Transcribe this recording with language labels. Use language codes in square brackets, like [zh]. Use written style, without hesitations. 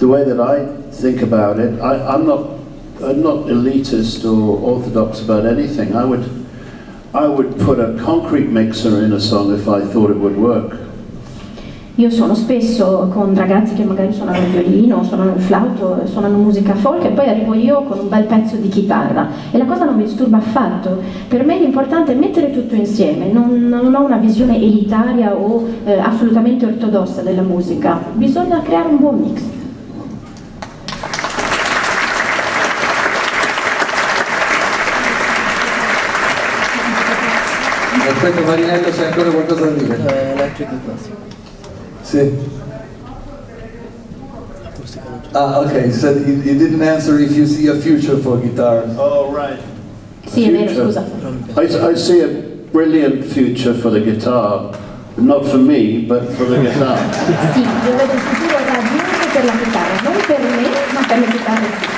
[en] the way that I think about it, I'm not elitist or orthodox about anything. I would put a concrete mixer in a song if I thought it would work. [it] Io suono spesso con ragazzi che magari suonano il violino, suonano il flauto, suonano musica folk e poi arrivo io con un bel pezzo di chitarra e la cosa non mi disturba affatto. Per me l'importante è mettere tutto insieme, non ho una visione elitaria o assolutamente ortodossa della musica. Bisogna creare un buon mix. Aspetta Marinello, c'è ancora qualcosa da dire? [en] Ah, okay. So you didn't answer if you see a future for guitar. Oh, right. [it] Sì, vero, scusa. [en] I see a brilliant future for the guitar, not for me, but for the guitar. [it] Sì, io vedo il futuro radioso per la chitarra, non per me, ma per la chitarra.